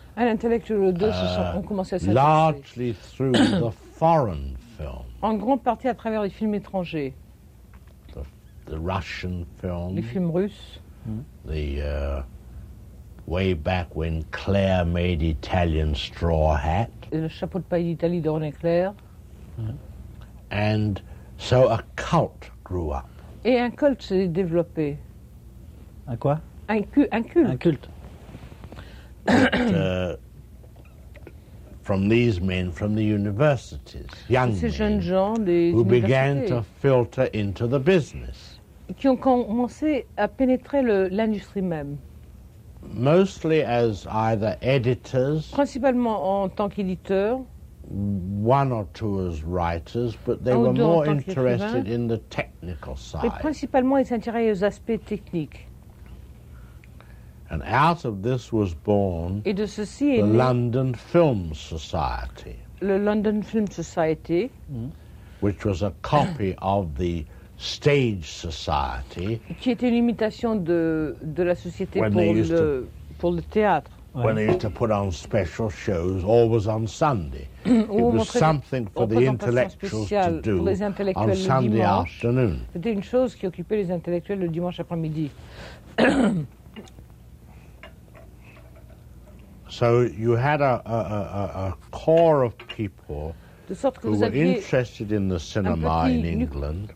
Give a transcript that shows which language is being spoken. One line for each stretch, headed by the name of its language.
French: Un intellectuel ou deux se sont commencé à s'intéresser.
English: Largely through the foreign films.
French: En grande partie à travers les films étrangers.
English: The Russian films.
French: Les films russes.
English: The way back when Claire made Italian straw hat.
French: Et le chapeau de paille d'Italie de René Clair.
English: And so a cult grew up.
French: Et un culte s'est développé. Un quoi? Un culte. Un culte.
English: from these men from the universities, young
French: ces
English: men,
French: jeunes gens des
English: who
French: universités
English: began to filter into the business.
French: qui ont commencé à pénétrer l'industrie même.
English: Mostly as either editors,
French: principalement en tant qu'éditeurs,
English: one or two as writers, but they were more interested in the technical side.
French: Et principalement, ils s'intéressaient aux aspects techniques.
English: And out of this was born the London Film Society.
French: Le London Film Society,
English: which was a copy of the Stage Society,
French: qui était une imitation de la société pour le théâtre. Ouais.
English: When they used to put on special shows, always on Sunday. It was something for the intellectuals to do
French: pour les intellectuels
English: on Sunday
French: dimanche.
English: Afternoon.
French: C'était une chose qui occupait les intellectuels le dimanche après-midi.
English: So you had a core of people
French: de sorte que
English: who
French: vous
English: were interested in the cinema in England.